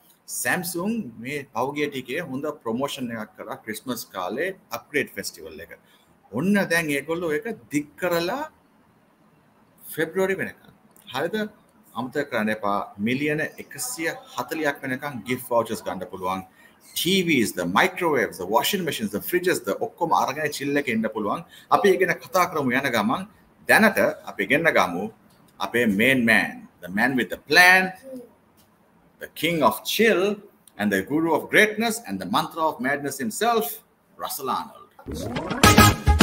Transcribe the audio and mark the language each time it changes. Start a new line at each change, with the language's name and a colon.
Sinhala: Samsung මේ පෞගිය ටිකේ හොඳ ප්‍රොමෝෂන් එකක් කරා ක්‍රිස්මස් කාලේ අප්ග්‍රේඩ් ෆෙස්ටිවල් එක. ඔන්න දැන් ඒගොල්ලෝ ඒක දික් කරලා February වෙනකන්. හරිද? අමතක කරන්න එපා මිලියන 140ක් වෙනකන් gift vouchers ගන්න පුළුවන්.
English: TVs, the microwaves, the washing machines, the fridges, the
Sinhala: ඔක්කොම අරගෙන chill එකේ ඉන්න පුළුවන්. අපි ඒක ගැන කතා කරමු යන ගමන් දැනට අපි ගෙන්න ගමු අපේ
English: main man, the man with the plan. The king of chill and the guru of greatness and the mantra of madness himself, Russel Arnold.